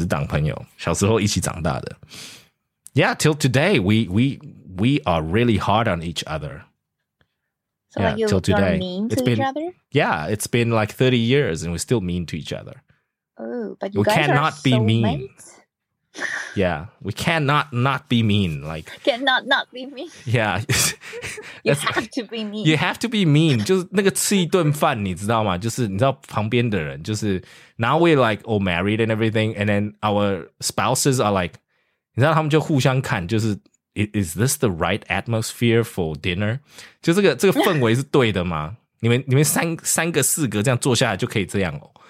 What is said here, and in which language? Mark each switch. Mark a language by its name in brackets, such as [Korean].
[Chinese] 就有一群就是可以交换着内裤用的那个朋友，这些死党朋友，小时候一起长大的。 [English] Yeah, till today, we are really hard on each other. So yeah, like you are mean to each other? Yeah, it's been like 30 years and we're still mean to each other. Oh, but you cannot be mean. Yeah, we cannot not be mean. Like cannot not be mean. Yeah. You have to be mean. You have to be mean. [Chinese] 就是那个吃一顿饭，你知道吗？就是你知道旁边的人，就是 [English] now we're like all married and everything, and then our spouses are like, [Chinese] 你知道他们就互相看，就是 [English] is this the right atmosphere for dinner? [Chinese] 就这个氛围是对的吗？你们三个四个这样坐下来就可以这样哦？